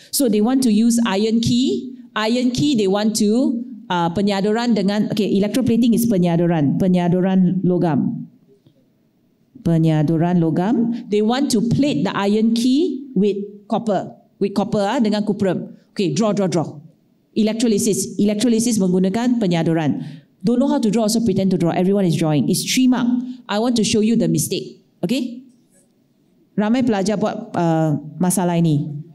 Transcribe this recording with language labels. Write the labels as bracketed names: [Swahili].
[English] So they want to use iron key. Iron key, they want to [Malay] penyadoran dengan... [English] Okay, electroplating is penyadoran. [Malay] Penyadoran logam. Penyaduran logam. [English] They want to plate the iron key with copper. With copper, [Malay] dengan cuprum. [English] Okay, draw. Electrolysis. [Malay] Electrolysis menggunakan penyaduran. [English] Don't know how to draw, so pretend to draw. Everyone is drawing. It's 3 mark. I want to show you the mistake. Okay? [Malay] Ramai pelajar buat masalah ini.